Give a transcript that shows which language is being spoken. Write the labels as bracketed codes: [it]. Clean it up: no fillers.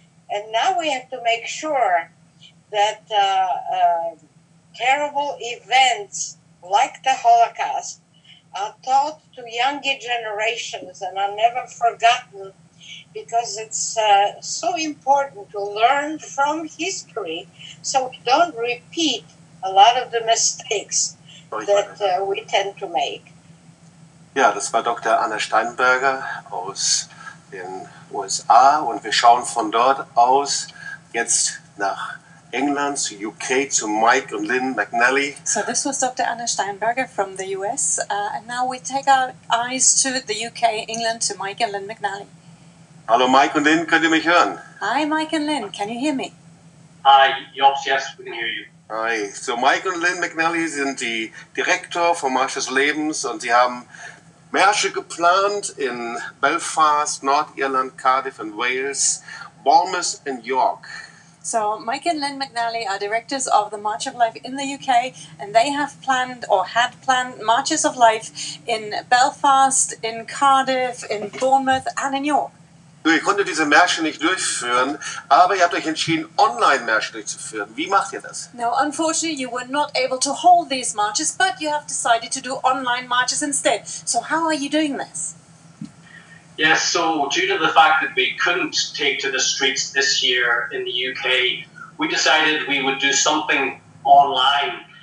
[en] And now we have to make sure that terrible events like the Holocaust are taught to younger generations and are never forgotten, because it's so important to learn from history so we don't repeat a lot of the mistakes that we tend to make. [de] Ja, das war Dr. Anna Steinberger aus den USA, und wir schauen von dort aus jetzt nach England, zu UK, zu Mike und Lynn McNally. [en] So this was Dr. Anna Steinberger from the US, and now we take our eyes to the UK, England, to Mike and Lynn McNally. [de] Hallo Mike und Lynn, könnt ihr mich hören? [en] Hi Mike and Lynn, can you hear me? Hi, yes, we can hear you. [de] Hi, so Mike und Lynn McNally sind die Direktor von Marsch des Lebens, und sie haben Märsche geplant in Belfast, Nordirland, Cardiff and Wales, Bournemouth and York. [en] So Mike and Lynn McNally are directors of the March of Life in the UK, and they have planned or had planned Marches of Life in Belfast, in Cardiff, in Bournemouth and in York. [de] So, ihr konntet diese Märsche nicht durchführen, aber ihr habt euch entschieden, Online-Märsche durchzuführen. Wie macht ihr das? [en] Now, unfortunately, you were not able to hold these marches, but you have decided to do Online-Marches instead. So, how are you doing this? Yes, so due to the fact that we couldn't take to the streets this year in the UK, we decided we would do something online.